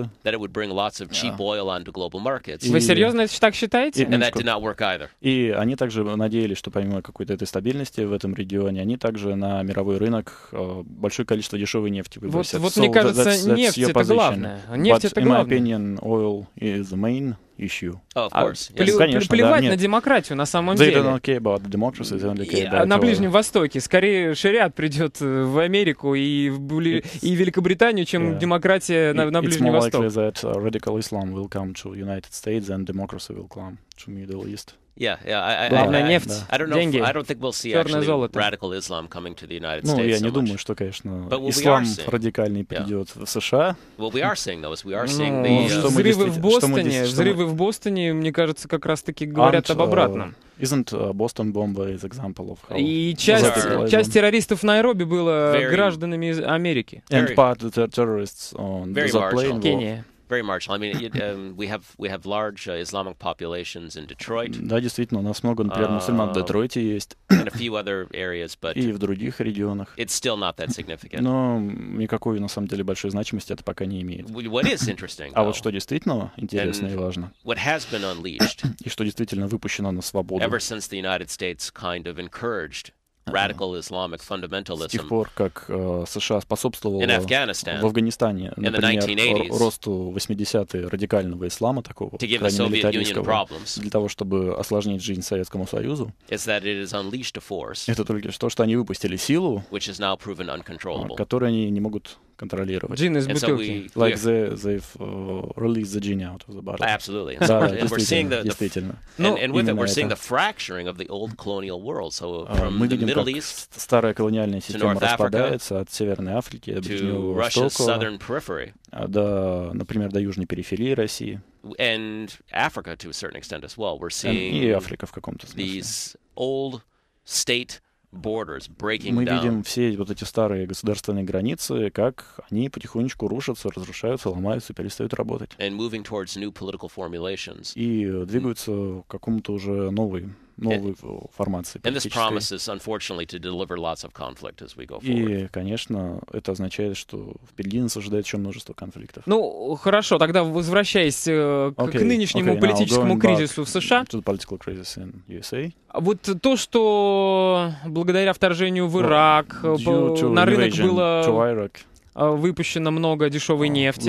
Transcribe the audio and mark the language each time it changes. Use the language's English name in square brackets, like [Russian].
[Russian] Вы серьезно так считаете? И они также надеялись, что помимо какой-то этой стабильности в этом регионе, они также на мировой рынок большое количество дешевой нефти выбросят. Вот мне кажется, нефть — это главное. Нефть — это главное. [English] But in my opinion, oil is the main issue. [Russian] Конечно, плевать да, на демократию на самом [English] they [Russian] деле. [English] They don't care about democracy, they only care about [Russian] на Ближнем Востоке. Скорее шариат придет в Америку и в Великобританию, чем демократия на Ближнем Востоке. [English] It's more likely that radical Islam will come to United States and democracy will come to Middle East. [Russian] Главное нефть, деньги, черное золото. Ну, я не думаю, что, конечно, ислам радикальный придет в США. Взрывы в Бостоне, мне кажется, как раз-таки говорят об обратном. [English] Isn't Boston bomber is example of how? [Russian] И часть террористов в Найроби было гражданами Америки. [English] And part of the terrorists on the plane. [Russian] Кения. [English] Very marginal. I mean, we have large Islamic populations in Detroit. [Russian] Да, действительно, у нас много, например, мусульман в Детройте есть. [English] And a few other areas, but [Russian] и в других регионах. [English] It's still not that significant. [Russian] Но никакой, на самом деле, большой значимости это пока не имеет. [English] What is interesting, [Russian] а вот что действительно интересно и важно, [English] what has been unleashed, [Russian] и что действительно выпущено на свободу, [English] ever since the United States kind of encouraged radical Islamic fundamentalism. [Russian] С тех пор, как США способствовало в Афганистане, например, росту 80-х радикального ислама такого, крайне милитаристского, для того, чтобы осложнить жизнь Советскому Союзу, это только то, что они выпустили силу, которую они не могут контролировать. Джин из бутылки. [English] Like they've released the genie out of the bottle. Absolutely. [Russian] Да, действительно, действительно. [English] And with it, we're seeing the fracturing of the old colonial world. So from the Middle East to North Africa, [Russian] старая колониальная система распадается от Северной Африки до Ближнего Востока, до, например, до Южной периферии России. [English] And Africa to a certain extent as well. We're seeing [Russian] Африка в каком-то смысле. [English] These old state borders, breaking down. [Russian] Мы видим все вот эти старые государственные границы, как они потихонечку рушатся, разрушаются, ломаются, перестают работать. [English] And moving towards new political formulations. [Russian] И двигаются к какому-то уже новой. [English] And this promises, unfortunately, to deliver lots of conflict as we go forward. [Russian] И, конечно, это означает, что впереди нас ожидает еще множество конфликтов. Ну, хорошо, тогда возвращаясь к нынешнему политическому кризису в США. [English] To the political crisis in USA. [Russian] Вот то, что благодаря вторжению в Ирак, на рынок было выпущено много дешевой нефти.